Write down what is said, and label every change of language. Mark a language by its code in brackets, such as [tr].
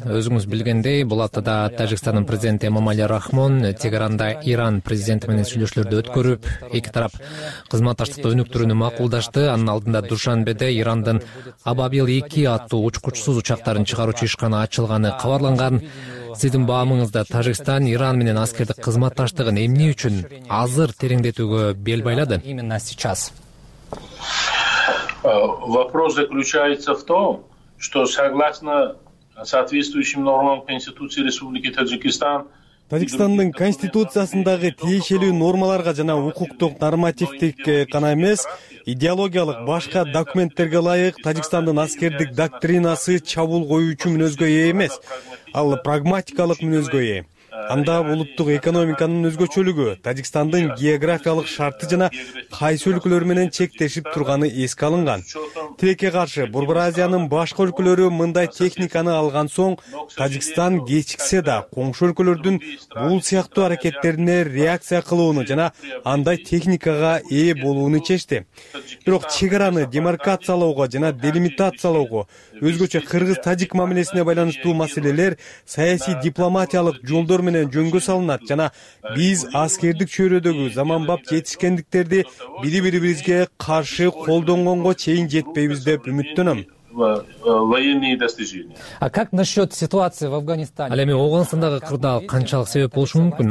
[ky] Өзүңүз билгендей, бул аптада Тажикстандын президенти Эмомали Рахмон Тегеранда Иран президенти менен сүйлөшүүлөрдү өткөрүп, эки тарап кызматташтыкты өнүктүрүүнү макулдашты. Анын алдында Душанбеде Ирандын Абабил 2 аттуу учкучсуз учактарын чыгаруучу ишкана ачылганы кабарланган. Сиздин баамыңызда Тажикстан Иран менен аскердик кызматташтыгын эмне үчүн азыр тереңдетүүгө бел байлады? [ru] Именно сейчас. Вопрос заключается в том, что согласно соответствующим нормам Конституции Республики Таджикистан [ky] Тажикстандын конституциясындагы тиешелүү нормаларга жана укуктук нормативдик гана эмес, идеологиялык башка документтерге ылайык Тажикстандын аскердик доктринасы чабуул коюучу мүнөзгө ээ эмес. Ал прагматикалык мүнөзгө ээ. Анда улуттук экономиканын өзгөчөлүгү, Тажикстандын географиялык шарты жана кайсы өлкөлөр менен чектешип турганы эске алынган. Тилекке каршы, Борбор Азиянын башка өлкөлөрү мындай техниканы алган соң, Тажикстан кечиксе да коңшу өлкөлөрдүн бул сыяктуу аракеттерине реакция кылууну жана андай техникага ээ болууну чечти. Бирок чек араны демаркациялоого жана делимитациялоого, өзгөчө кыргыз-тажик мамилесине байланыштуу маселелер саясий дипломатиялык жолдо менен жөнгө салынат жана биз аскердик чөйрөдөгү заманбап жетишкендиктерди бири бирибизге каршы колдонгонго чейин жетпейбиз деп үмүттөнөм. [ru] Военные достижения. А как насчет ситуации в Афганистане? [ky] Ал эми Ооганстандагы кырдаал канчалык себеп болушу мүмкүн?